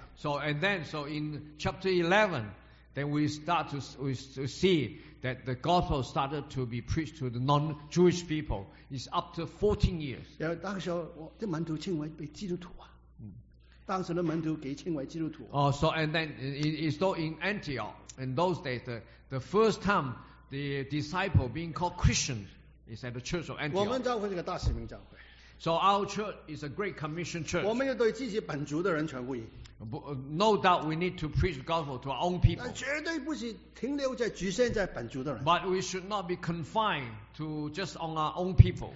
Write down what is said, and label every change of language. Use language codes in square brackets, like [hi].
[en] So and then so in chapter 11, then we see that the gospel started to be preached to the non-Jewish people. It's up to 14 years. [zh] 然后当时我的门徒称为被基督徒啊。当时的门徒给称为基督徒。 [en] Oh, so and then it's though in Antioch, in those days, the first time the disciple being called Christian is at the church of Antioch. [zh] 我们教会是个大使命教会。 [en] So our church is a great commission church. [zh] 我们要对自己本族的人传福音。 [en] No doubt we need to preach the gospel to our own people. [zh] 但绝对不是停留在局限在本族的人。 [en] But we should not be confined to just on our own people.